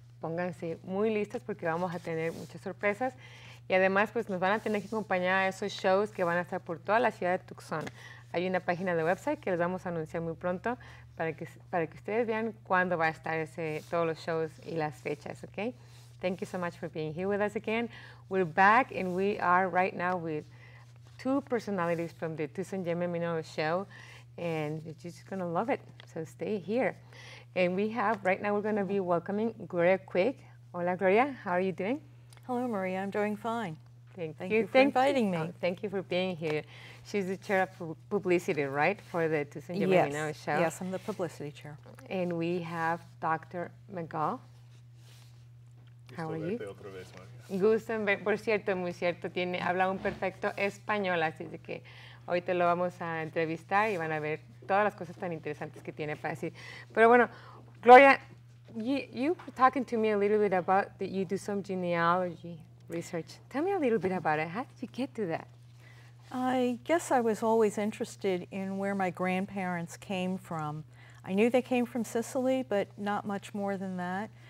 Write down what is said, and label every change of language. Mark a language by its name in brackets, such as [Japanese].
[Spanish] Pónganse muy listos porque vamos a tener muchas sorpresas y además pues nos van a tener que acompañar a esos shows que van a estar por toda la ciudad de Tucson. Hay una página de website que les vamos a anunciar muy pronto para que ustedes vean cuándo va a estar todos los shows y las fechas, ¿ok? [English] Thank you so much for being here with us again. We're back and we are right now with two personalities from the Tucson Gemmel Mineral Show, and you're just gonna love it, so stay here. And we're gonna be welcoming Gloria Quick. Hola, Gloria, how are you doing? Hello, Maria, I'm doing fine. Thank you for inviting me. Thank you for being here. She's the chair of publicity, right, for the Tucson Gemmel Mineral Show? Yes, I'm the publicity chair. And we have Dr. McGall. How are you? [Spanish] Gusten, por cierto, muy cierto, habla un perfecto español, así que hoy te lo vamos a entrevistar y van a ver todas las cosas tan interesantes que tiene para decir. Pero bueno, [English] Gloria, you were talking to me a little bit about that you do some genealogy research. Tell me a little bit about it. How did you get to that? I guess I was always interested in where my grandparents came from. I knew they came from Sicily, but not much more than that.